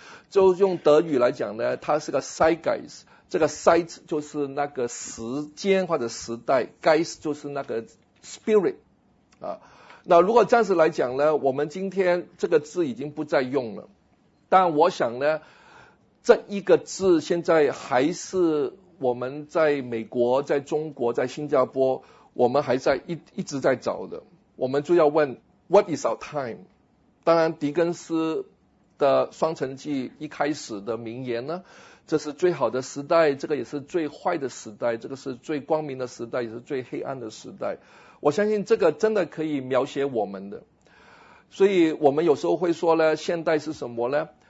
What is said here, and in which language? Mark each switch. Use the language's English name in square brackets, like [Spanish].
[Chinese] 就用德语来讲呢，它是个 Zeitgeist， 这个 Zeit 就是那个时间或者时代， Geist 就是那个 spirit 啊。那如果这样子来讲呢，我们今天这个字已经不再用了，但我想呢，这一个字现在还是我们在美国、在中国、在新加坡，我们还在一直在找的。我们就要问 [English] What is our time？ [Chinese] 当然，狄更斯的《双城记》一开始的名言呢，这是最好的时代，这个也是最坏的时代，这个是最光明的时代，也是最黑暗的时代。我相信这个真的可以描写我们的。所以我们有时候会说呢，现代是什么呢？